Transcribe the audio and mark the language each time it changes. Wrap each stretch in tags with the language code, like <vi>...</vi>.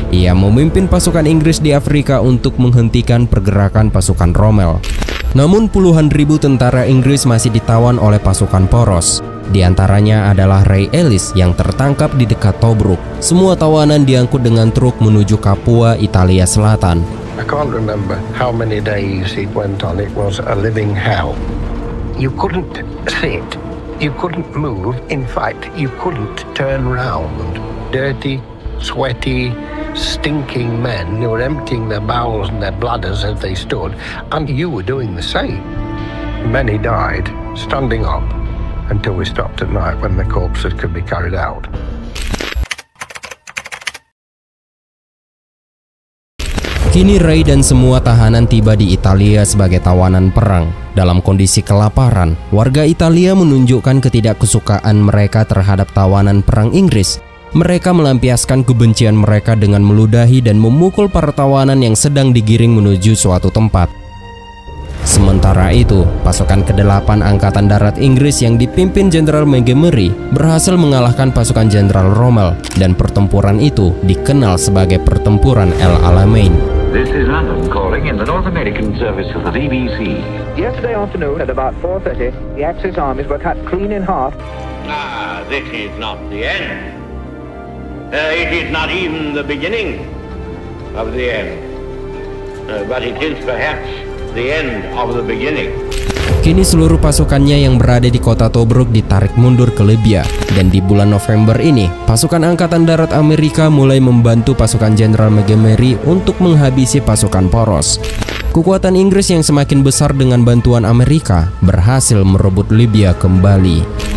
<id>Ia memimpin pasukan Inggris di Afrika untuk menghentikan pergerakan pasukan Rommel. Namun puluhan ribu tentara Inggris masih ditawan oleh pasukan poros. Di antaranya adalah Ray Ellis yang tertangkap di dekat Tobruk. Semua tawanan diangkut dengan truk menuju Capua, Italia Selatan.</id> <en>I can't remember how many days it went on. It was a living hell. You couldn't sit. You couldn't move. In fact, you couldn't turn round. Dirty, sweaty, stinking men. They were emptying their bowels and their bladders as they stood. And you were doing the same. Many died standing up until we stopped at night when the corpses could be carried out.</en> <id>Kini Ray dan semua tahanan tiba di Italia sebagai tawanan perang. Dalam kondisi kelaparan, warga Italia menunjukkan ketidakkesukaan mereka terhadap tawanan perang Inggris. Mereka melampiaskan kebencian mereka dengan meludahi dan memukul para tawanan yang sedang digiring menuju suatu tempat. Sementara itu, pasukan ke-8 Angkatan Darat Inggris yang dipimpin Jenderal Montgomery berhasil mengalahkan pasukan Jenderal Rommel, dan pertempuran itu dikenal sebagai Pertempuran El Alamein.</id> <en>This is London calling in the North American service of the BBC. Yesterday afternoon at about 4:30, the Axis armies were cut clean in half. Ah, this is not the end. It is not even the beginning of the end. But it is perhaps the end of the beginning.</en> <id>Kini seluruh pasukannya yang berada di kota Tobruk ditarik mundur ke Libya. Dan di bulan November ini, pasukan Angkatan Darat Amerika mulai membantu pasukan Jenderal Montgomery untuk menghabisi pasukan poros. Kekuatan Inggris yang semakin besar dengan bantuan Amerika berhasil merebut Libya kembali.</id>